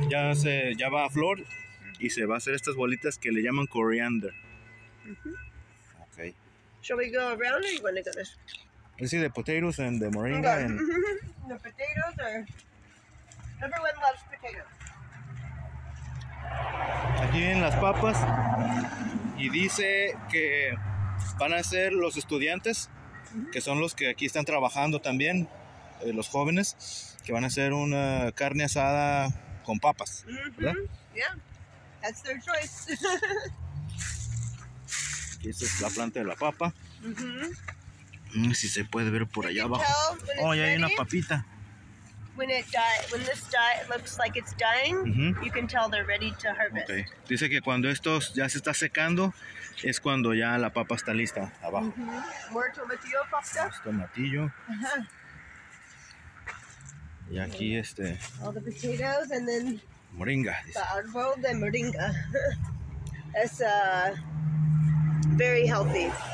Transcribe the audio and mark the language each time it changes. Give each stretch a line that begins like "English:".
Spanish: Ya va a flor y se va a hacer estas bolitas que le llaman coriander. Mm-hmm.
English: Okay. Shall we go around or you want to go this? You see the potatoes and the moringa okay. and... the potatoes are... Everyone loves potatoes.
Spanish: Aquí vienen las papas. Y dice que van a ser los estudiantes, que son los que aquí están trabajando también, los jóvenes, que van a hacer una carne asada con papas.
English: Mm-hmm. Yeah, that's their choice.
Spanish: Aquí esta es la planta de la papa. Mm-hmm. Si se puede ver por allá abajo. Oh, ya hay una papita.
English: When this looks like it's dying, you can tell they're ready to harvest. Okay.
Spanish: Dice que cuando esto ya se está secando, es cuando ya la papa está lista abajo.
English: Mm-hmm. More tomatillo, papa.
Spanish: Tomatillo. Uh-huh. Y aquí este.
English: All the potatoes and then. Moringa. The
Spanish: árbol de moringa. Es
English: very healthy.